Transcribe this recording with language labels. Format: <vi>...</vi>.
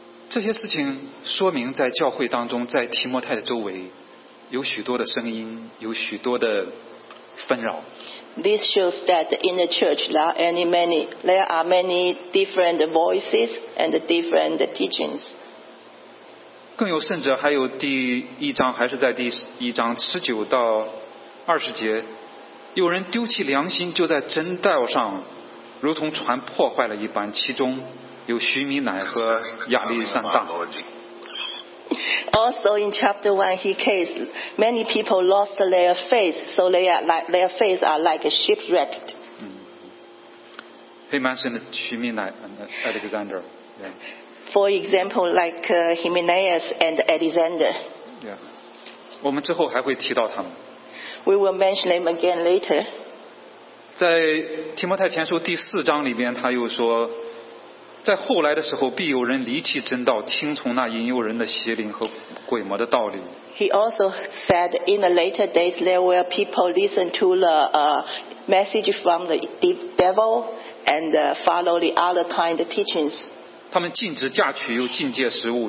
<zh>这些事情说明在教会当中，在提摩太的周围有许多的声音，有许多的纷扰。</zh> <en>This shows that in the church there are many different voices and different teachings.</en> <zh>更有甚者，还有第一章，还是在第一章十九到二十节，有人丢弃良心，就在真道上。如同船破坏了一般，其中有徐米乃和亚历山大。</zh> <en>Also in chapter 1, he says many people lost their faith, so their faith are like shipwrecked.</en> <zh>黑曼森的徐米乃 Alexander.</zh> <en>For example, like Himenaeus and Alexander. Yeah.</en> <zh>我们之后还会提到他们。</zh> <en>We will mention them again later.</en> <zh>在提摩太前书第四章里边，他又说，在后来的时候，必有人离弃真道，听从那引诱人的邪灵和鬼魔的道理。</zh> <en>He also said, in the later days, there will people listen to the message from the devil and follow the other kind of teachings.</en> <zh>他们禁止嫁娶，又禁戒食物。</zh>